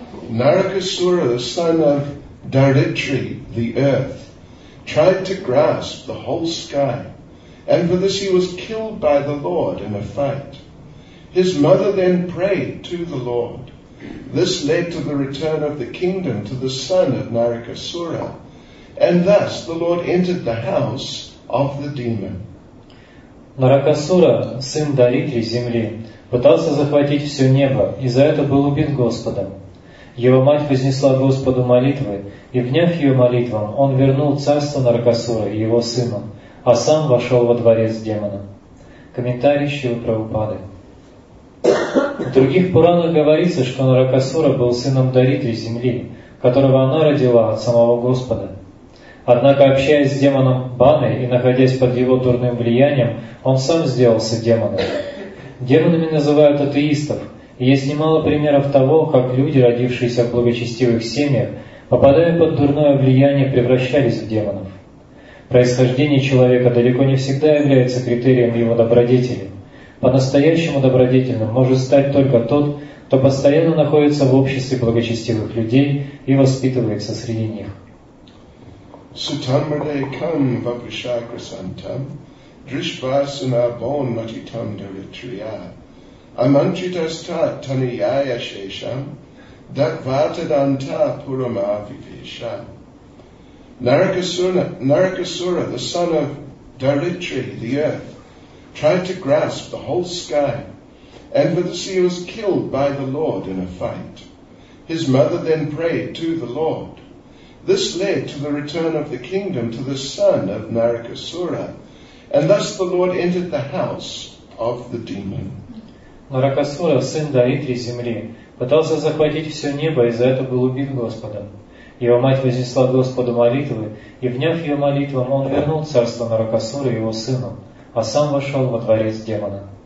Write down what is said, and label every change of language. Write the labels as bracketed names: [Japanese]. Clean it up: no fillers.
[English] Narakasura, the son of Daritri, the earth, tried to grasp the whole sky, and for this he was killed by the Lord in a fight. His mother then prayed to the Lord. This led to the return of the kingdom to the son of Narakasura, and thus the Lord entered the house of the demon. [Russian] Наракасура, сын Даритри, земли, пытался захватить все небо, и за это был убит Господом. Его мать вознесла Господу молитвы, и, вняв ее молитвам, он вернул царство Наракасура и его сына, а сам вошел во дворец демона. Комментарий Шрилы Прабхупады. В других Пуранах говорится, что Наракасура был сыном Даритри, земли, которого она родила от самого Господа. Однако, общаясь с демоном Баной и находясь под его дурным влиянием, он сам сделался демоном. Демонами называют атеистов, и есть немало примеров того, как люди, родившиеся в благочестивых семьях, попадая под дурное влияние, превращались в демонов. Происхождение человека далеко не всегда является критерием его добродетели. По-настоящему добродетельным может стать только тот, кто постоянно находится в обществе благочестивых людей и воспитывается среди них. [Sanskrit] Sutamrade kam vapushakrasantam drishvasana bon matitam daritriya amantritasta taniyaya shesham dakvatadanta puramavivesha [English] Narakasura, the son of Daritri, the earth, tried to grasp the whole sky, and for this he was killed by the Lord in a fight. His mother then prayed to the Lord. This led to the return of the kingdom to the son of Narakasura, and thus the Lord entered the house of the demon. [Russian] Наракасура, сын Даритри, земли, пытался захватить все небо, и за это был убит Господом. Его мать вознесла Господу молитвы, и, вняв ее молитвам, он вернул царство Наракасуры его сыну, а сам вошел во дворец демона.